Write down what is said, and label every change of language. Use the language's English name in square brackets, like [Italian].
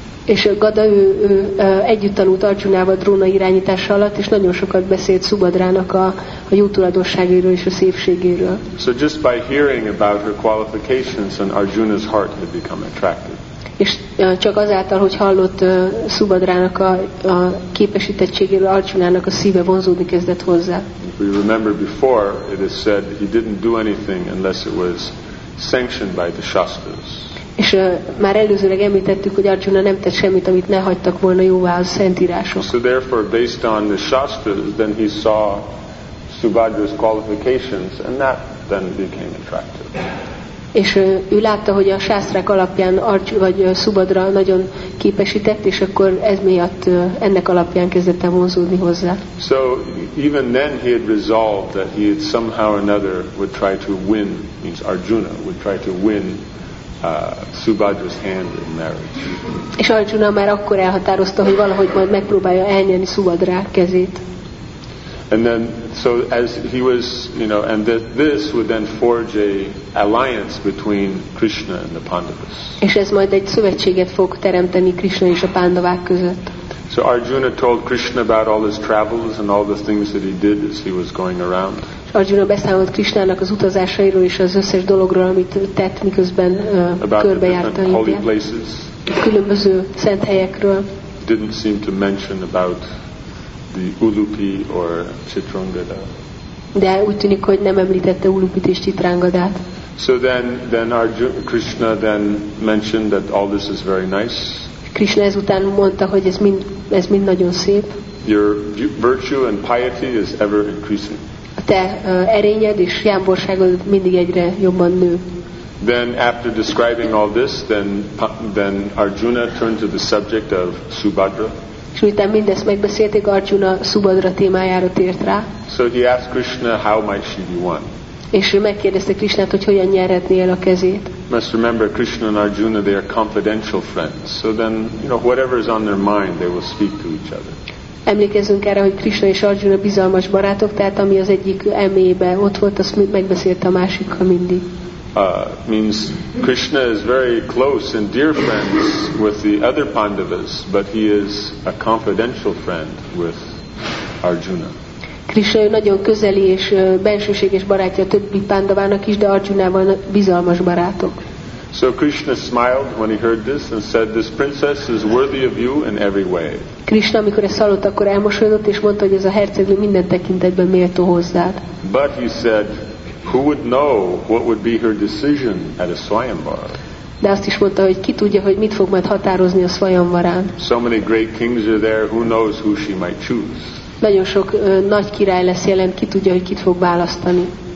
[Hungarian] És Gada együtt tanult Arjunával Drona irányítása alatt, és nagyon sokat beszélt Subhadrának a jó tulajdonságairól és a szépségéről. [English] So just by hearing about her qualifications, and Arjuna's heart had become attracted. [Hungarian] És csak azáltal, hogy hallott Subhadrának a képesítettségéről, Arjunának a szíve vonzódni kezdett hozzá. [English] We remember before it is said he didn't do anything unless it was sanctioned by the shastras. [Hungarian] És már előzőleg említettük, hogy Arjuna nem tett semmit, amit ne hagytak volna jóvá a szentírások. [English] So therefore, based on the shastras, then he saw Subhadra's qualifications, and that then became attractive. [Hungarian] és ő látta, hogy a sásztrák alapján vagy Szubhadra nagyon képesített, és akkor ez miatt ennek alapján kezdett el vonzódni hozzá. [English] So even then he had resolved that he had somehow or another would try to win, means Arjuna would try to win Subhadra's hand in marriage. [Hungarian] És Arjuna már akkor elhatározta, hogy valahogy majd megpróbálja elnyerni Subhadra kezét. [English] And then, so as he was, you know, and this would then forge a alliance between Krishna and the Pandavas. [Hungarian] És ez majd egy szövetséget fog teremteni Krishna és a Pandavák között. [English] So Arjuna told Krishna about all his travels and all the things that he did as he was going around. [Hungarian] Arjuna beszámolt Krishnának az utazásairól és az összes dologról, amit tett, miközben körbejárta India. Különböző szent helyekről. [English] Didn't seem to mention about the Ulupi or Chitrangada. [Hungarian] De úgy tűnik, hogy nem említette Ulupit és Chitrangadát. [English] So then Arjuna, Krishna then mentioned that all this is very nice. [Hungarian] Krishna ezután mondta, hogy ez mind nagyon szép. [English] Your virtue and piety is ever increasing. [Hungarian] A te erényed és jámborságod mindig egyre jobban nő. [English] Then after describing all this, then Arjuna turned to the subject of Subhadra. [Hungarian] És miután mindezt megbeszélték, Arjuna Subhadra témájára tért rá. [English] So he asked Krishna, how might she be won? [Hungarian] És ő megkérdezte Krishnát, hogy hogyan nyerhetné el a kezét. [English] Must remember Krishna and Arjuna, they are confidential friends. So then, you know, whatever is on their mind, they will speak to each other. [Hungarian] Emlékezzünk erre, hogy Krishna és Arjuna bizalmas barátok, tehát ami az egyik elméjében ott volt, azt megbeszélte a másikkal mindig. [English] Means Krishna is very close and dear friends with the other Pandavas, but he is a confidential friend with Arjuna. [Hungarian] Krishna nagyon közeli és bensőséges barátja a többi Pandavának is, de Arjunával bizalmas barátok. [English] So Krishna smiled when he heard this and said, "This princess is worthy of you in every way." [Hungarian] Krishna, amikor ezt hallott, akkor elmosolyodott és mondta, hogy ez a hercegnő minden tekintetben méltó hozzád. [English] But he said, "Who would know what would be her decision at a Swayamvara?" [Hungarian] De azt is mondta, hogy ki tudja, hogy mit fog majd határozni a Swayamvarán. [English] So many great kings are there. Who knows who she might choose? [Hungarian] Nagyon sok nagy király lesz jelen, ki tudja, hogy kit fog választani.